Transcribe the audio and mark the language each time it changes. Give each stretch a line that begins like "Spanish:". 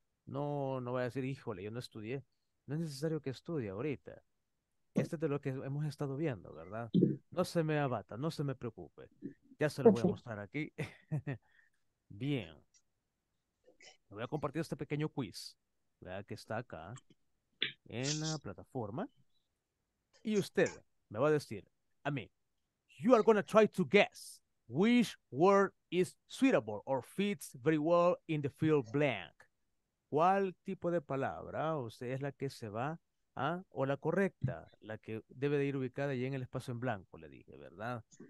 Spanish: No, no voy a decir, híjole, yo no estudié. No es necesario que estudie ahorita. Este es de lo que hemos estado viendo, ¿verdad? No se me abata, no se me preocupe. Ya se lo voy a mostrar aquí. Bien. Le voy a compartir este pequeño quiz, ¿verdad? Que está acá en la plataforma. Y usted me va a decir a mí,
English: you are going to try to guess which word is suitable or fits very well in the field blank.
Spanish: ¿Cuál tipo de palabra usted es la que se va a, o la correcta, la que debe de ir ubicada allí en el espacio en blanco, le dije, ¿verdad?